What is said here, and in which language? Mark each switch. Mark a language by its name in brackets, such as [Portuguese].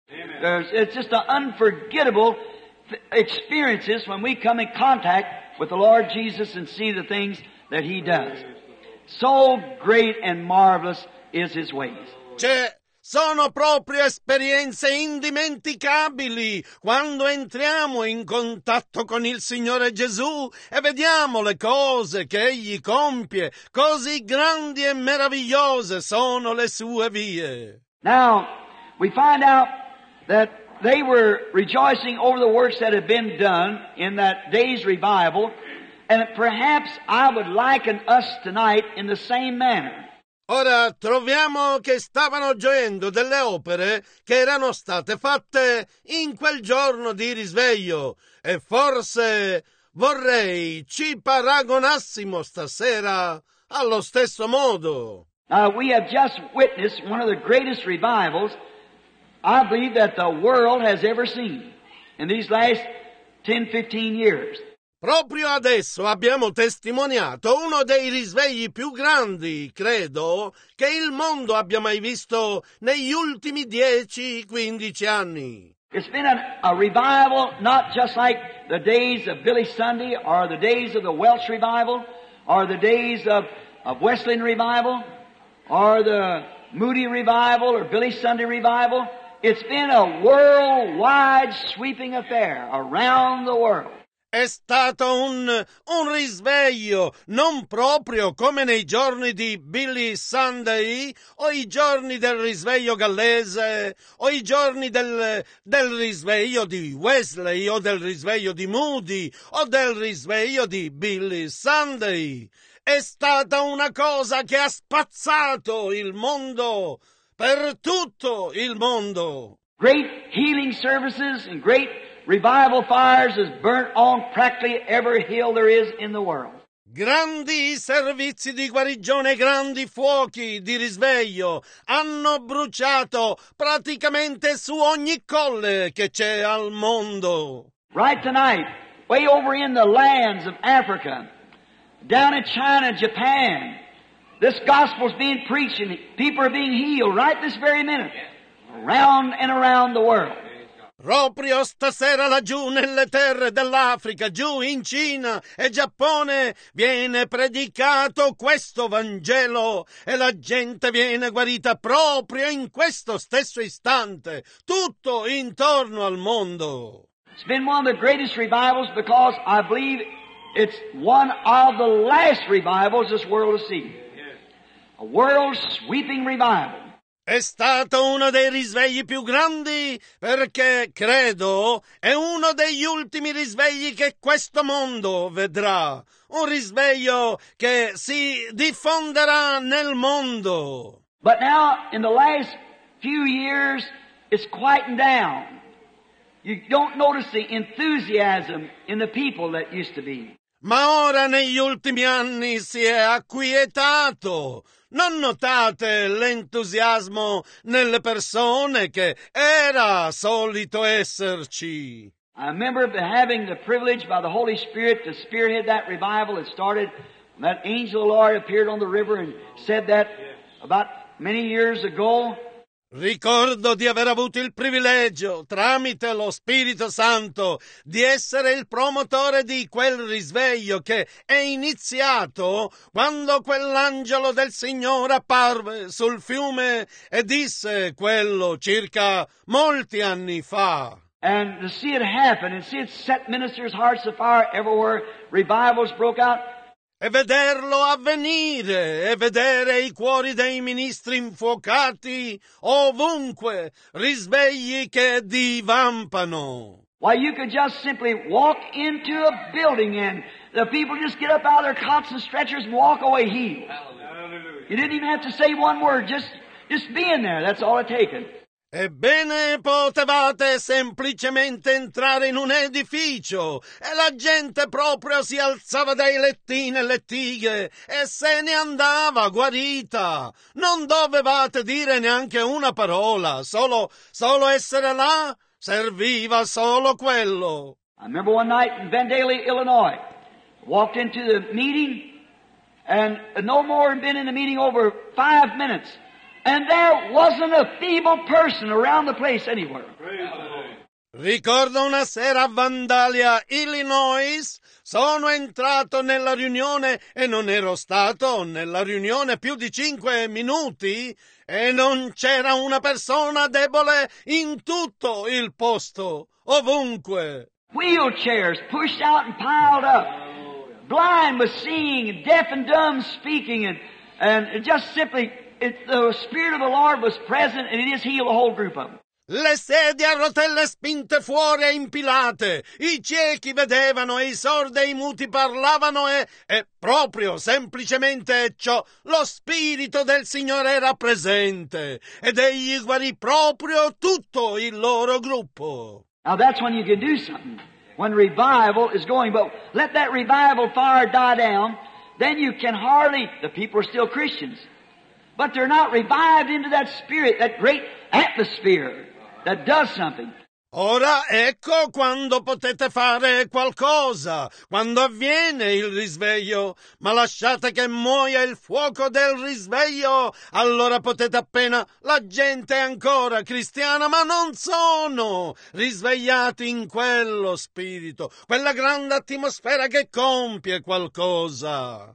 [English] It's just an unforgettable experiences when we come in contact with the Lord Jesus and see the things that he does. So great and marvelous is his ways. [Italian] Sono proprio esperienze indimenticabili quando entriamo in contatto con il Signore Gesù e vediamo le cose che egli compie. Così grandi e meravigliose sono le sue vie. [English] Now we find out that they were rejoicing over the works that had been done in that day's revival, and perhaps I would liken us tonight in the same manner. [Italian] Ora troviamo che stavano gioendo delle opere che erano state fatte in quel giorno di risveglio, e forse vorrei ci paragonassimo stasera allo stesso modo. [English] Now, we have just witnessed one of the greatest revivals I believe that the world has ever seen in these last 10-15 years. [Italian] Proprio adesso abbiamo testimoniato uno dei risvegli più grandi, credo, che il mondo abbia mai visto negli ultimi 10-15 anni. [English] It's been a revival not just like the days of Billy Sunday or the days of the Welsh revival or the days of Wesleyan revival or the Moody revival or Billy Sunday revival. It's been a worldwide sweeping affair around the world. [Italian] È stato un risveglio, non proprio come nei giorni di Billy Sunday, o i giorni del risveglio gallese, o i giorni del risveglio di Wesley, o del risveglio di Moody, o del risveglio di Billy Sunday. È stata una cosa che ha spazzato il mondo. Per tutto il mondo. [English] Great healing services and great revival fires has burnt on practically every hill there is in the world. [Italian] Grandi servizi di guarigione, grandi fuochi di risveglio hanno bruciato praticamente su ogni colle che c'è al mondo. [English] Right tonight, way over in the lands of Africa, down in China, Japan, this gospel is being preached and people are being healed right this very minute, around and around the world. [Italian] Proprio stasera laggiù nelle terre dell'Africa, giù in Cina e Giappone, viene predicato questo Vangelo e la gente viene guarita proprio in questo stesso istante, tutto intorno al mondo. [English] It's been one of the greatest revivals because I believe it's one of the last revivals this world has seen. A world sweeping revival. [Italian] È stato uno dei risvegli più grandi perché, credo, è uno degli ultimi risvegli che questo mondo vedrà. Un risveglio che si diffonderà nel mondo. [English] But now, in the last few years, it's quieting down. You don't notice the enthusiasm in the people that used to be. [Italian] Ma ora negli ultimi anni si è acquietato. Non notate l'entusiasmo nelle persone che era solito esserci. [English] I remember having the privilege by the Holy Spirit to spearhead that revival that started. That angel of the Lord appeared on the river and said that about many years ago. [Italian] Ricordo di aver avuto il privilegio, tramite lo Spirito Santo, di essere il promotore di quel risveglio che è iniziato quando quell'angelo del Signore apparve sul fiume e disse quello circa molti anni fa. [English] And to see it happen, and see it set ministers' hearts afire everywhere, revivals broke out. [Italian] e vederlo avvenire, e vedere i cuori dei ministri infuocati, ovunque, risvegli che divampano. [English] Why, you could just simply walk into a building and the people just get up out of their cots and stretchers and walk away healed. Hallelujah. You didn't even have to say one word, just being there, that's all it taken. [Italian] Ebbene, potevate semplicemente entrare in un edificio e la gente proprio si alzava dai lettini e lettighe e se ne andava guarita. Non dovevate dire neanche una parola, solo essere là serviva solo quello. [English] I remember one night in Vandalia, Illinois, walked into the meeting and no more had been in the meeting over 5 minutes. And there wasn't a feeble person around the place anywhere. [Italian] Ricordo una sera a Vandalia, Illinois, sono entrato nella riunione e non ero stato nella riunione più di 5 minuti e non c'era una persona debole in tutto il posto, ovunque. [English] Wheelchairs pushed out and piled up. Blind was seeing, deaf and dumb speaking, and just simply... the Spirit of the Lord was present and it has healed a whole group of them. [Italian] Le sedie a rotelle spinte fuori e impilate, i ciechi vedevano e i sordi e i muti parlavano e proprio, semplicemente ciò, lo Spirito del Signore era presente ed egli guarì proprio tutto il loro gruppo. [English] Now that's when you can do something, when revival is going, but let that revival fire die down, then you can hardly, the people are still Christians, but they're not revived into that spirit, that great atmosphere that does something. [Italian] Ora ecco quando potete fare qualcosa, quando avviene il risveglio, ma lasciate che muoia il fuoco del risveglio, allora potete appena, la gente è ancora cristiana, ma non sono risvegliati in quello spirito, quella grande atmosfera che compie qualcosa.